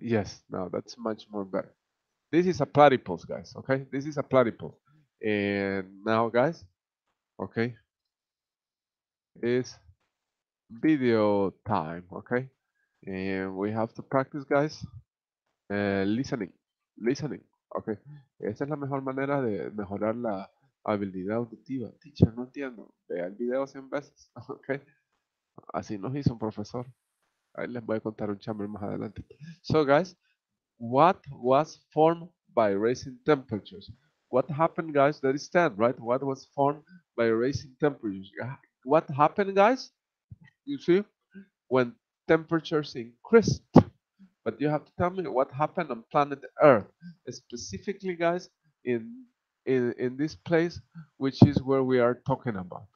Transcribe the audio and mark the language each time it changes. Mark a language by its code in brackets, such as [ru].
[en] Yes, now that's much more better. This is a platypus, guys. Okay, this is a platypus. And now, guys, okay, it's video time. Okay. And we have to practice, guys, listening, listening, okay. [es] Esta es la mejor manera de mejorar la habilidad auditiva. Teacher, no entiendo. Vea el video 100 veces, okay. Así nos hizo un profesor. Ahí les voy a contar un chamber más adelante. [en] So, guys, what was formed by raising temperatures? What happened, guys? That is 10, right? What was formed by raising temperatures? What happened, guys? You see? When temperatures increased, but you have to tell me what happened on planet Earth, specifically, guys, in this place, which is where we are talking about.